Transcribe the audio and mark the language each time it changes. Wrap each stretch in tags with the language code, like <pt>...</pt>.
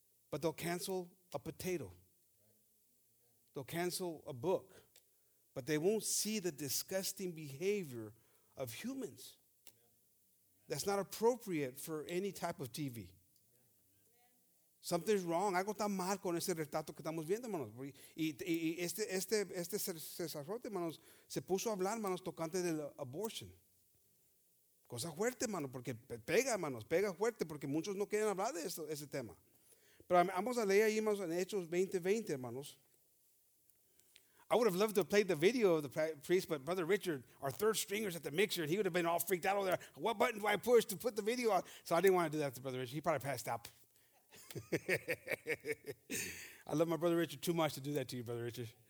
<en>But they'll cancel a potato. They'll cancel a book. But they won't see the disgusting behavior of humans. That's not appropriate for any type of TV. Something's wrong.</en> <es>Algo está mal con ese retrato que estamos viendo, hermanos. Y este sacerdote, hermanos, se puso a hablar, hermanos, tocante del abortion. Cosa fuerte, hermanos, porque pega, hermanos, pega fuerte, porque muchos no quieren hablar de ese tema. Pero vamos a leer ahí, hermanos, en Hechos 20:20, hermanos.</es> <en>I would have loved to have played the video of the priest, but Brother Richard, our third stringer's at the mixer, and he would have been all freaked out over there. What button do I push to put the video on? So I didn't want to do that to Brother Richard. He probably passed out. I love my Brother Richard too much to do that to you, Brother Richard.</en>